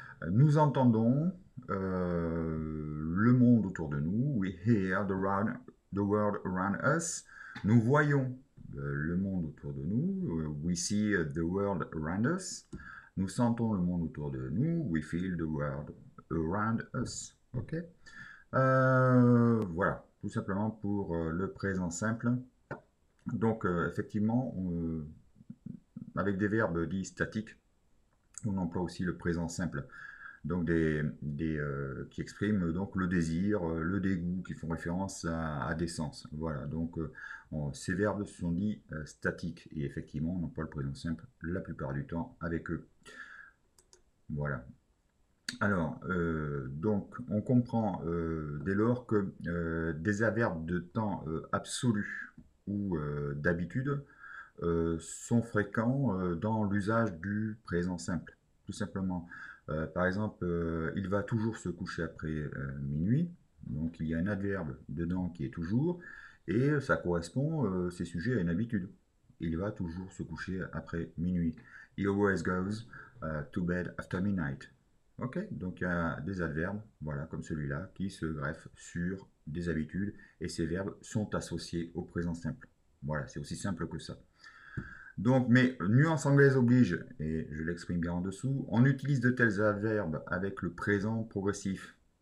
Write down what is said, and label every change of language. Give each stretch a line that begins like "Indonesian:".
French: Nous entendons le monde autour de nous.
English: We hear the world around us.
French: Nous voyons le monde autour de nous.
English: We see the world around us.
French: Nous sentons le monde autour de nous.
English: We feel the world around us. OK?
French: Voilà, tout simplement pour le présent simple. Donc, effectivement, avec des verbes dits statiques, on emploie aussi le présent simple. Donc, qui expriment donc le désir, le dégoût, qui font référence à des sens. Voilà, donc ces verbes sont dits statiques. Et effectivement, on emploie le présent simple la plupart du temps avec eux. Voilà. Alors, on comprend dès lors que des adverbes de temps absolu ou d'habitude sont fréquents dans l'usage du présent simple. tout simplement. Par exemple, il va toujours se coucher après minuit. Donc il y a un adverbe dedans qui est toujours, et ça correspond, c'est sujet à une habitude. Il va toujours se coucher après minuit.
English: He always goes to bed after midnight.
French: Ok, donc il y a des adverbes, voilà, comme celui-là, qui se greffent sur des habitudes, et ces verbes sont associés au présent simple. Voilà, c'est aussi simple que ça. Donc, mais nuance anglaise oblige, et je l'exprime bien en dessous, on utilise de tels adverbes avec le présent progressif.